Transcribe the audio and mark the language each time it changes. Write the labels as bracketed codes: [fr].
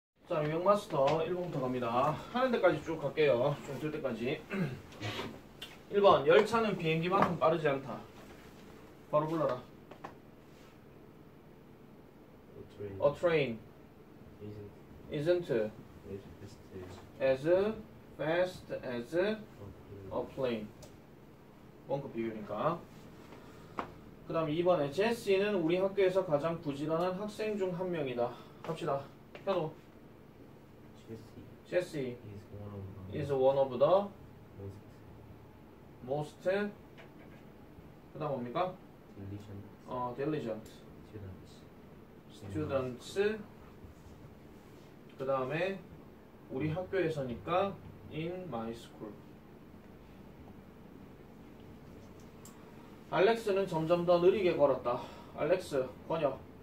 [ko] 자, 유형마스터 1번부터 갑니다. 하는 데까지 쭉 갈게요. 좀뜰 때까지. 1번, 열차는 비행기만큼 빠르지 않다. 바로 불러라. [en] A train isn't as fast as a plane. [ko] 원급 비교니까. 그 다음 2번에 제시는 우리 학교에서 가장 부지런한 학생 중한 명이다. 갑시다. 현호. Jesse [en] Jesse is one of is one of the most [ko] 그 다음 뭡니까? [en] diligent diligent students in [ko] students 그 다음에 우리 학교에서니까 [en] in my school. [ko] 알렉스는 점점 더 느리게 걸었다. 알렉스, 번역.